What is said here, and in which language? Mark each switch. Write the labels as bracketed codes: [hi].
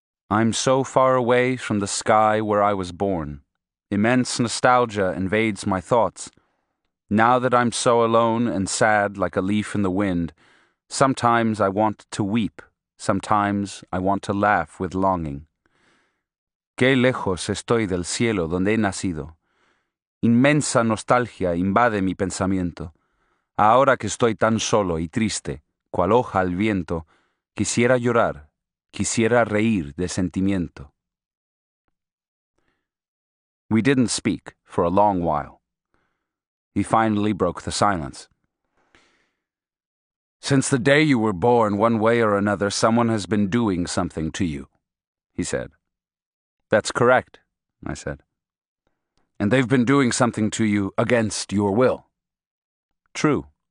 [en] I'm so far away from the sky where I was born. Immense nostalgia invades my thoughts. Now that I'm so alone and sad like a leaf in the wind, sometimes I want to weep, sometimes I want to laugh with longing. [es] Qué lejos estoy del cielo donde he nacido. Inmensa nostalgia invade mi pensamiento. Ahora que estoy tan solo y triste, cual hoja al viento, quisiera llorar, quisiera reír de sentimiento. [en] We didn't speak for a long while. He finally broke the silence. Since the day you were born, one way or another, someone has been doing something to you, he said. That's correct, I said. And they've been doing something to you against your will. True.